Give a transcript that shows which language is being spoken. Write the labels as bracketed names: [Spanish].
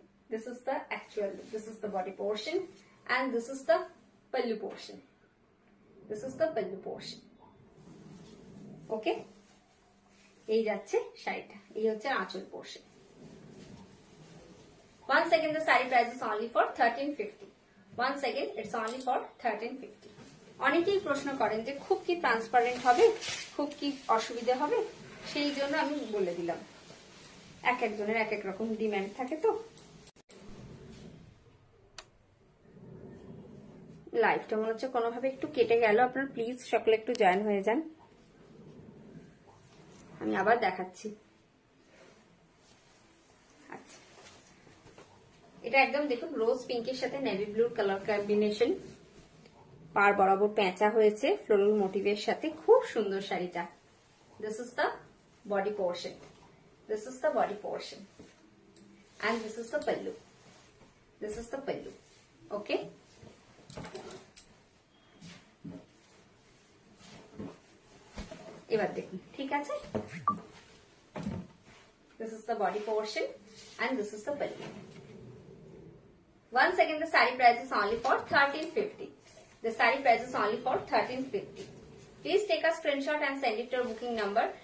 [English] This is the actual, this is the body portion and this is the pallu portion, this is the pallu portion, okay. [Bangla] এই যাচ্ছে শাড়িটা, এই হচ্ছে আঁচল portion. [English] Once again, the sari price is only for 1350. Once again, it's only for 1350. [Bangla] অনেকেই প্রশ্ন করেন যে খুব কি ট্রান্সপারেন্ট হবে, খুব কি অসুবিধে হবে, সেই জন্য আমি বলে দিলাম, এক একজনের এক এক রকম ডিম্যান্ড থাকে। তো লাইভটা মনে হচ্ছে কোনোভাবে একটু কেটে গেল, আপনার প্লিজ সকলে একটু জয়েন হয়ে যান, আমি আবার দেখাচ্ছি। এটা একদম দেখুন রোজ পিঙ্ক এর সাথে নেভি ব্লুর কালার কম্বিনেশন, পার বরাবর প্যাঁচা হয়েছে ফ্লোরাল মোটিভ এর সাথে, খুব সুন্দর শাড়িটা। [English] This is the body portion, this is the body portion and this is the pallu, this is the pallu, okay. [Bangla] এবার দেখুন ঠিক আছে, [English] This is the body portion and this is the pallu. Once again, the sari price is only for 1350. The sari price is only for 1350. Please take a screenshot and send it to your booking number.